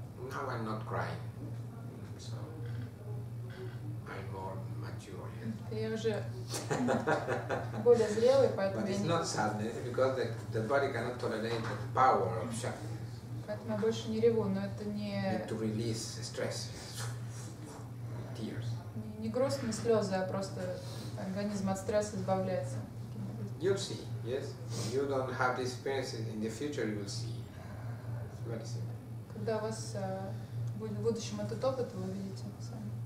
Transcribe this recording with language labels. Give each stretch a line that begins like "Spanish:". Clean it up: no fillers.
English: Now I'm not crying, so I'm more mature.
Russian: Я уже более зрелый, поэтому.
English: But it's not sadness because the body cannot tolerate the power of Shakti.
Russian: Поэтому я больше не реву, но это не.
English: To release stress, tears.
Russian: Не грустные слезы, а просто организм от стресса избавляется.
English: You'll see, yes. If you don't have this experience in the future, you'll see. It's very simple.
Russian: Когда у вас будет в будущем этот опыт, вы увидите сами.